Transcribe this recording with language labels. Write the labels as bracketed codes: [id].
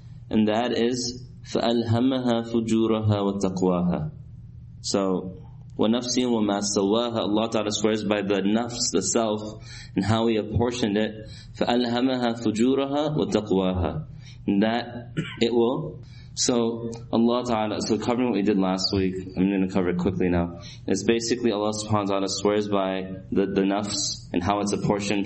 [en] And that is, [ar] فَأَلْهَمَهَا فُجُورَهَا وَتَقْوَاهَا. So, وَنَفْسٍ وَمَا سَوَّاهَا. [en] Allah Ta'ala swears by the nafs, the self, and how He apportioned it. [ar] فَأَلْهَمَهَا فُجُورَهَا وَتَقْوَاهَا. [en] And that it will. So, Allah Ta'ala, so covering what we did last week, I'm going to cover it quickly now. It's basically Allah Subhanahu wa Ta'ala swears by the nafs and how it's apportioned.